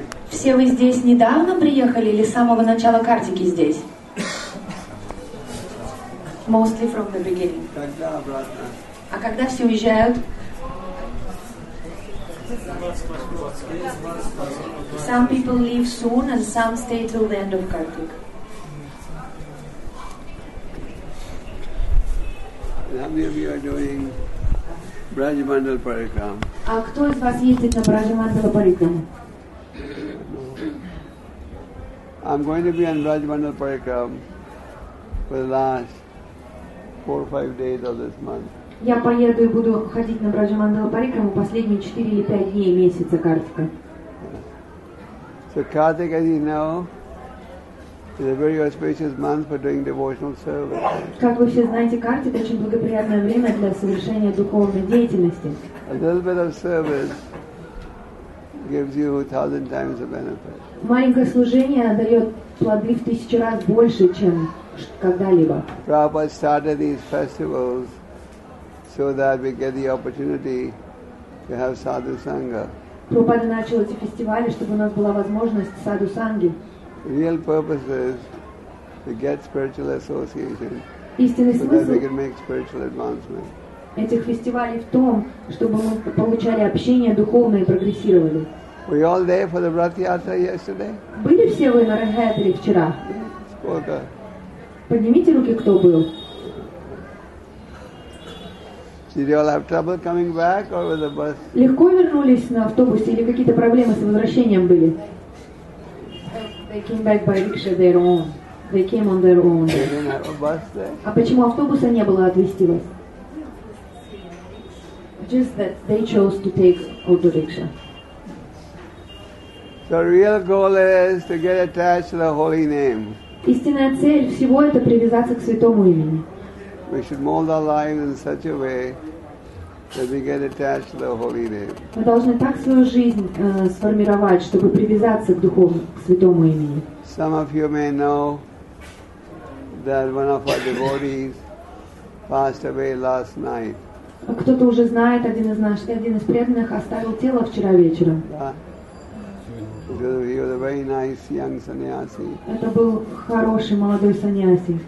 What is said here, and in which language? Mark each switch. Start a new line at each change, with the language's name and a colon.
Russian: Все вы здесь недавно приехали или с самого начала картики здесь?
English: Mostly from the beginning.
Russian: А когда все уезжают?
English: Some people leave soon and some stay till the end of Kartik. How many of you are doing Brajamandala Parikram?
Russian: А кто из вас ездит на Брajamandala Parikram?
English: I'm going to be on Brajamandala Parikram for the last 4 or 5 days of this month.
Russian: Я поеду и буду ходить на Брajamandala Parikram последние 4 или 5 дней месяца Картика.
English: So Kartik, as you know, is a very auspicious month for doing devotional service.
Russian: Как вы все знаете, Картик очень благоприятное время для совершения духовной деятельности.
English: A little bit of service gives you 1,000 times the benefit.
Russian: Маленькое служение дает плоды в 1,000 раз больше, чем когда-либо.
English: Prabhupada started these festivals so that we get the opportunity to have sadhu sangha.
Russian: Prabhupada начал эти фестивали, чтобы у нас была возможность саду санги.
English: Real purpose is to get spiritual association.
Russian: Истинный
English: so
Russian: смысл
English: that we can make spiritual advancement.
Russian: Этих фестивалей в том, чтобы мы получали общение духовное и прогрессировали.
English: Were you all there for the Rath Yatra yesterday?
Russian: Были все вы на Рath Yatra вчера? Сколько? Поднимите руки, кто был.
English: Did you all have trouble coming back or with the bus?
Russian: Легко вернулись на автобусе или какие-то проблемы с возвращением были?
English: They came back by rickshaw their own. They came on their own. They didn't have a bus there?
Russian: А почему автобуса не было отвезти вас?
English: Just that they chose to take auto rickshaw. The real goal is to get attached to the holy name.
Russian: Истинная цель всего это привязаться к святому имени.
English: We should mold our lives in such a way that we get attached to the holy name.
Russian: Мы должны так свою жизнь сформировать, чтобы привязаться к духовному, к святому имени.
English: Some of you may know that one of our devotees passed away last night.
Russian: Кто-то уже знает, один из преданных оставил тело вчера вечером.
English: He was a very nice young sannyasi.
Russian: Это был хороший молодой саньяси.